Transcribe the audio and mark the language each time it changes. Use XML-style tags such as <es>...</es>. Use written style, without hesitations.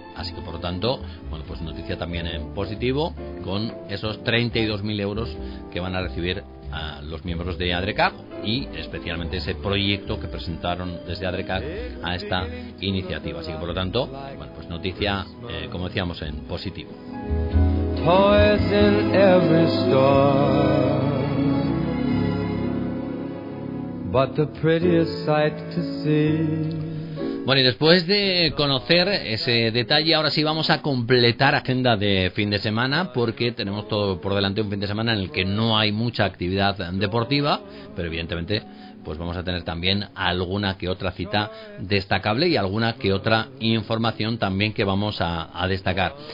<es>Así que, por lo tanto, bueno, pues noticia también en positivo, con esos 32.000 euros que van a recibir a los miembros de ADRECAG y especialmente ese proyecto que presentaron desde ADRECAG a esta iniciativa. Así que, por lo tanto, bueno, pues noticia, como decíamos, en positivo.</es> <en>Toys in every store, but the prettiest sight to see.</en> <es>Bueno, y después de conocer ese detalle, ahora sí vamos a completar agenda de fin de semana, porque tenemos todo por delante, un fin de semana en el que no hay mucha actividad deportiva, pero evidentemente pues vamos a tener también alguna que otra cita destacable y alguna que otra información también que vamos a destacar.</es>